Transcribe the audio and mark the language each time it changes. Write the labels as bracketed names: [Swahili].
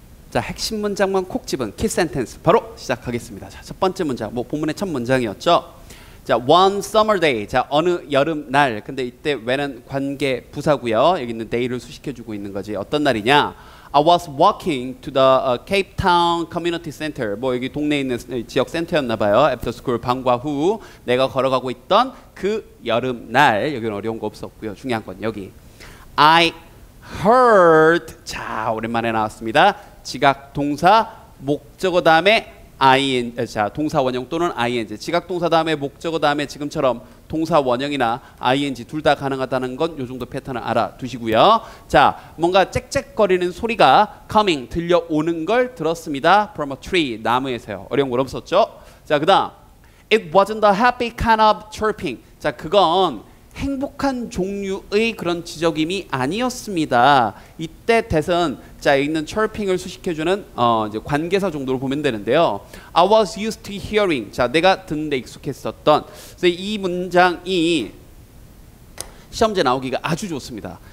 [Korean] 자, 핵심 문장만 콕 집은 키 센텐스 바로 시작하겠습니다. 자, 첫 번째 문장, 뭐 본문의 첫 문장이었죠. 자, [English] one summer day. [Korean] 자, 어느 여름 날. 근데 이때 when은 관계 부사고요. 여기 있는 day를 수식해주고 있는 거지. 어떤 날이냐? [English] I was walking to the Cape Town Community Center. [Korean] 뭐 여기 동네에 있는 지역 센터였나 봐요. [English] After school [Korean] 방과 후 내가 걸어가고 있던 그 여름 날. 여기는 어려운 거 없었고요. 중요한 건 여기. [English] I heard. [Korean] 자, 오랜만에 나왔습니다. 지각 동사 목적어 다음에 ing, 자, 동사 원형 또는 ing, 지각 동사 다음에 목적어 다음에 지금처럼 동사 원형이나 ing 둘 다 가능하다는 건 요 정도 패턴을 알아두시고요. 자, 뭔가 짹짹거리는 소리가 coming 들려오는 걸 들었습니다. [English] From a tree, [Korean] 나무에서요. 어려운 건 없었죠. 자, 그 다음 [English] it wasn't a happy kind of chirping. [Korean] 자, 그건 행복한 종류의 그런 지적임이 아니었습니다. 이때 대선 자 있는 chirping을 수식해주는 이제 관계사 정도로 보면 되는데요. [English] I was used to hearing. [Korean] 자, 내가 듣는데 익숙했었던. 그래서 이 문장이 시험지에 나오기가 아주 좋습니다.